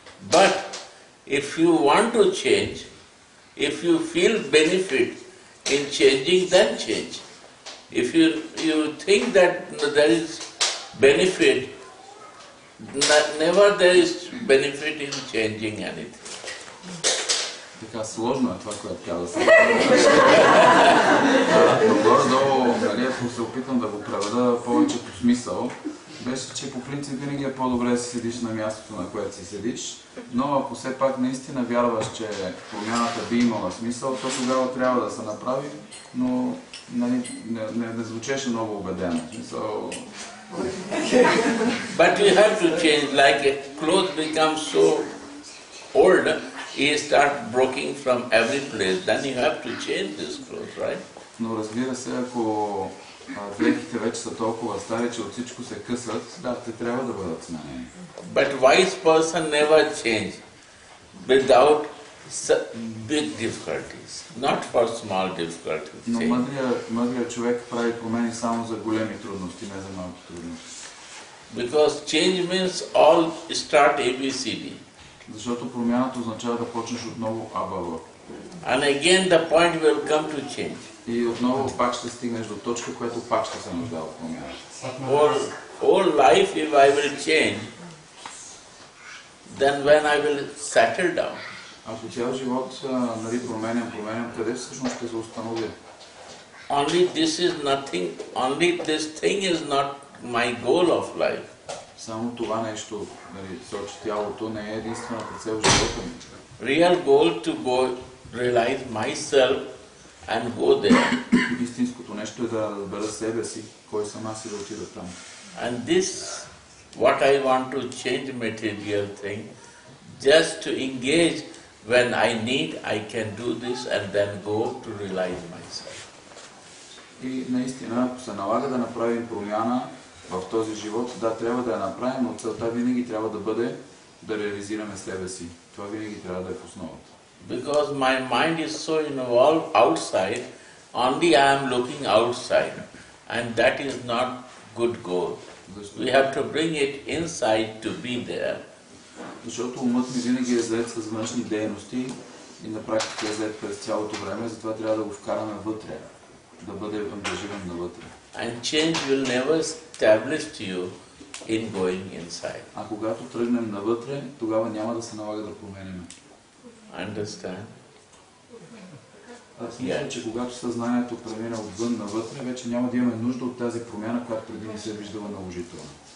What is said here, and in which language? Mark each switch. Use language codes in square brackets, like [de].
[en] But if you want to change, if you feel benefit in changing, then change. If you think that there is benefit, never there is benefit in changing anything. [bg] Така сложно е това, което тя да се прави. Ако се опитам да го преведа повече по смисъл, беше, че по принцип винаги е по-добре да си седиш на мястото, на което си седиш, но ако все пак наистина вярваш, че промяната би имала смисъл, то тогава трябва да се направи, но не звучеше много убедено. [en] But you have to change, like clothes become so old, it start breaking from every place, then you have to change this clothes, right? [bg] Но разбира се, ако дрехите вече са толкова стари, че от всичко се късат, да, те трябва да бъдат сменени. [en] But wise person never change without big difficulties, not for small difficulties. [bg] Но мъдрият човек прави промени само за големи трудности, не за малки трудности. [en] Because change means all start ABCD. [bg] Защото промяната означава да почнеш отново АБВ. [en] And again the point will come to change. [bg] И отново пак ще стигнеш до точка, която пак ще се нуждава от промяна. [en] All life if I will change, then when I will settle down. [bg] Ако цял живот променям, къде всъщност ще се установя? [en] Only this is nothing, only this thing is not my goal of life. [bg] Само това нещо, сочи тялото, не е единствената цел в живота ми. [en] Real goal to go realize myself and go there. [bg] Истинското нещо е да разбера себе си, кой съм аз и да отида там. [en] And this, what I want to change material thing, just to engage when I need, I can do this and then go to realize myself. [bg] И наистина, ако се налага да направим промяна в този живот, да, трябва да я направим, но целта винаги трябва да бъде да реализираме себе си. Това винаги трябва да е в основата. [en] Because my mind is so involved outside, only I am looking outside. And that is not good goal. We have to bring it inside to be there. [bg] Защото умът ми винаги е заед с външни дейности и на практика е заед през цялото време, затова трябва да го вкараме вътре, да бъде ангажиран навътре. [en] And change will never establish you in going inside. [bg] А когато тръгнем навътре, тогава няма да се налага да променим. [en] Understand? [bg] Аз мисля, [en] yes. [bg] Че когато съзнанието премина отвън навътре, вече няма да имаме нужда от тази промяна, която преди не се е виждала наложително.